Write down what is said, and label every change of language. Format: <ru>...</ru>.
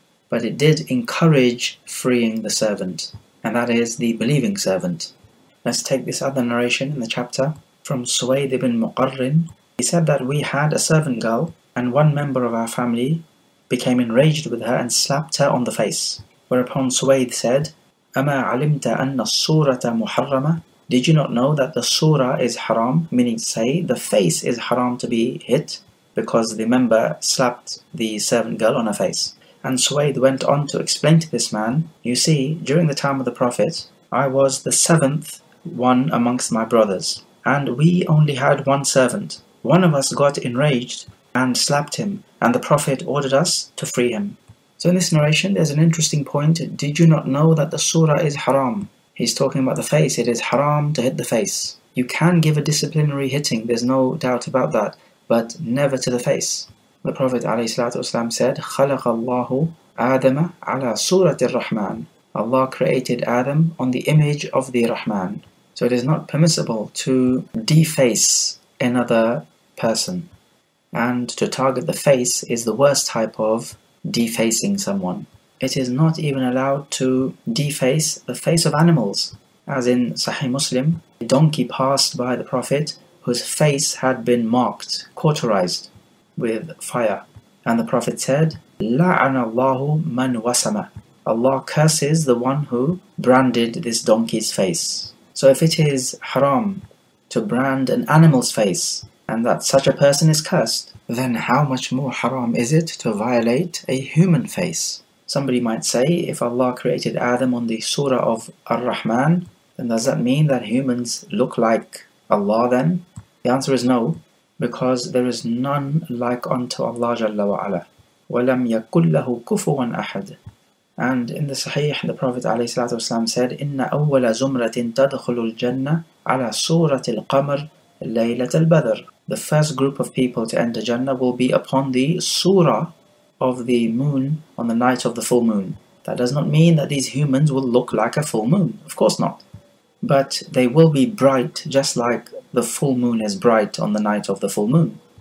<en>But it did encourage freeing the servant, and that is the believing servant. Let's take this other narration in the chapter from Suwayd ibn Muqarrin. He said that we had a servant girl, and one member of our family became enraged with her and slapped her on the face. Whereupon Suwayd said,</en> <ar>أَمَا عَلِمْتَ أَنَّ الصُّورَةَ مُحَرَّمَةً.</ar> <en>Did you not know that the surah is haram, meaning to say the face is haram to be hit, because the member slapped the servant girl on her face? And Suwayd went on to explain to this man, you see, during the time of the Prophet, I was the seventh one amongst my brothers, and we only had one servant. One of us got enraged and slapped him, and the Prophet ordered us to free him. So in this narration, there's an interesting point. Did you not know that the surah is haram? He's talking about the face. It is haram to hit the face. You can give a disciplinary hitting, there's no doubt about that, but never to the face. The Prophet ﷺ said,</en> <ar>خَلَقَ اللَّهُ آدَمَ عَلَى سُورَةِ الرَّحْمَانِ.</ar> <en>Allah created Adam on the image of the Rahman. So it is not permissible to deface another person. And to target the face is the worst type of defacing someone. It is not even allowed to deface the face of animals. As in Sahih Muslim, a donkey passed by the Prophet whose face had been marked, cauterized with fire. And the Prophet said,</en> <ar>لَعَنَ اللَّهُ مَنْ وَسَمَ.</ar> <en>Allah curses the one who branded this donkey's face. So if it is haram to brand an animal's face, and that such a person is cursed, then how much more haram is it to violate a human face? Somebody might say, if Allah created Adam on the surah of Ar-Rahman, then does that mean that humans look like Allah then? The answer is no, because there is none like unto Allah Jalla wa'ala.</en> <ar>وَلَمْ يَكُلْ لَهُ كُفُوًا أَحَدٍ.</ar> <en>And in the Sahih, the Prophet ﷺ said,</en> <ar>إِنَّ أَوَّلَ زُمْرَةٍ تَدْخُلُ الْجَنَّةِ عَلَى سُورَةِ الْقَمْرِ لَيْلَةَ الْبَدْرِ.</ar> <en>The first group of people to enter Jannah will be upon the surah of the moon on the night of the full moon. That does not mean that these humans will look like a full moon, of course not. But they will be bright, just like the full moon is bright on the night of the full moon.</en>